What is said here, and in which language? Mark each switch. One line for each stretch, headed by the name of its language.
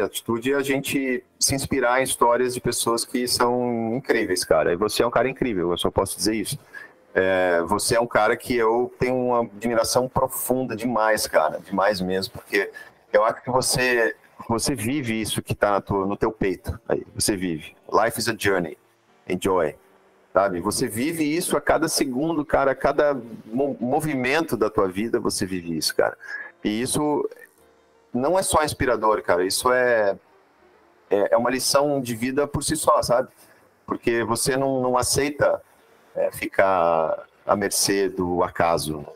Portuguese: A atitude é a gente se inspirar em histórias de pessoas que são incríveis, cara. E você é um cara incrível, eu só posso dizer isso. Você é um cara que eu tenho uma admiração profunda demais, cara, demais mesmo, porque eu acho que você vive isso que tá no teu peito, aí, você vive.
English: Life is a journey, enjoy, sabe?
Portuguese: Você vive isso a cada segundo, cara, a cada movimento da tua vida, você vive isso, cara. E isso não é só inspirador, cara, isso é uma lição de vida por si só, sabe? Porque você não aceita ficar à mercê do acaso.